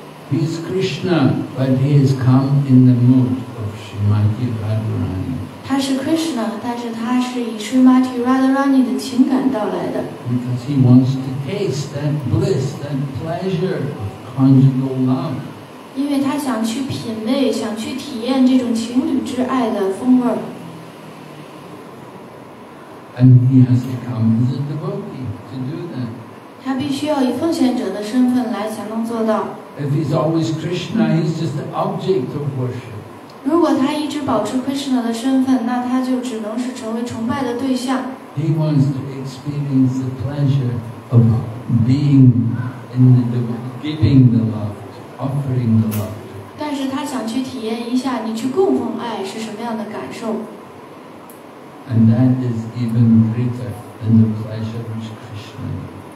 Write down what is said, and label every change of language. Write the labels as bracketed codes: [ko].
[en] He is Krishna, but he has come in the mood of Srimati Radharani. [zh] 他是 Krishna， 但是他是以 Srimati Radharani 的情感到来的。 [en] Because he wants to taste that bliss, that pleasure of conjugal love. [zh] 因为他想去品味，想去体验这种情侣之爱的风味。 [en] And he has to come as a devotee to do that. [zh] 他必须要以奉献者的身份来才能做到。 [en] If he's always Krishna, he's just the object of worship. [zh] 如果他一直保持 Krishna 的身份，那他就只能是成为崇拜的对象。 [en] He wants to experience the pleasure of being in the giving the love, offering the love. [zh] 但是他想去体验一下，你去供奉爱是什么样的感受。 [en] And that is even greater than the pleasure which Krishna gives.